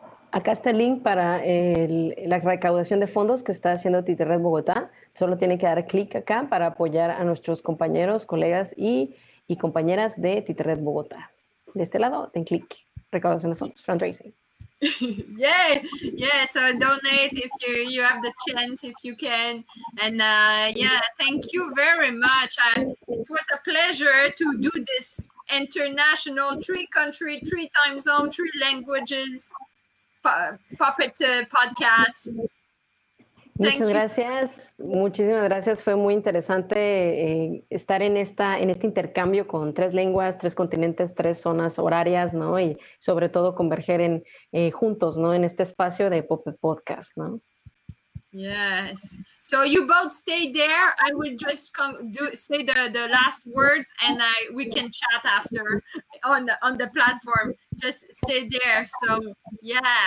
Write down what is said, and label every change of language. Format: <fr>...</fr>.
<es>acá está el link para la recaudación de fondos que está haciendo Titerred Bogotá. Solo tiene que dar clic acá para apoyar a nuestros compañeros, colegas y compañeras de Titerred Bogotá. De este lado, den clic. Recaudación de fondos, fundraising.</es> <en>Yeah, yeah. So donate if you have the chance, if you can. And yeah, thank you very much. It was a pleasure to do this international, three country, three time zone, three languages puppet podcast.</en> <es>Muchas gracias. Muchísimas gracias. Fue muy interesante estar en este intercambio con tres lenguas, tres continentes, tres zonas horarias, ¿no? Y sobre todo converger en juntos, ¿no? En este espacio de Puppet Podcast, ¿no?</es> <en>Yes. So you both stay there. I will just say the last words and we can chat after on the platform. Just stay there. So, yeah.</en>